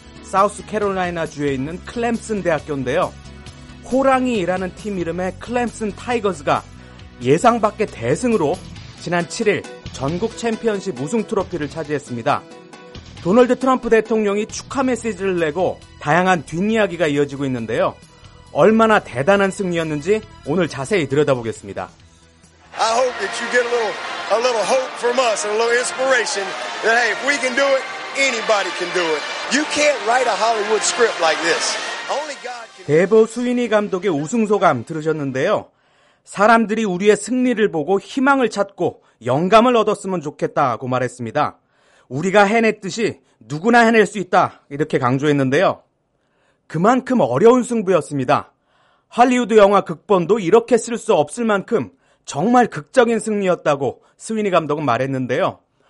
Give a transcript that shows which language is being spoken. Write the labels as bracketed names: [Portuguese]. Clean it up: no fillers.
[Korean] 사우스 캐롤라이나주에 있는 클렘슨 대학교인데요. 호랑이라는 팀 이름의 클렘슨 타이거즈가 예상 밖의 대승으로 지난 7일 전국 챔피언십 우승 트로피를 차지했습니다. 도널드 트럼프 대통령이 축하 메시지를 내고 다양한 뒷이야기가 이어지고 있는데요. 얼마나 대단한 승리였는지 오늘 자세히 들여다보겠습니다. [English] I hope that you get a little hope from us and a little inspiration that hey, if we can do it, anybody can do it. You can't write a Hollywood script like this. Only God can. [Korean] 데브 스위니 감독의 우승 소감 들으셨는데요. 사람들이 우리의 승리를 보고 희망을 찾고 영감을 얻었으면 좋겠다고 말했습니다. 우리가 해냈듯이 누구나 해낼 수 있다 이렇게 강조했는데요. 그만큼 어려운 승부였습니다. 할리우드 영화 극본도 이렇게 쓸 수 없을 만큼 정말 극적인 승리였다고 스위니 감독은 말했는데요.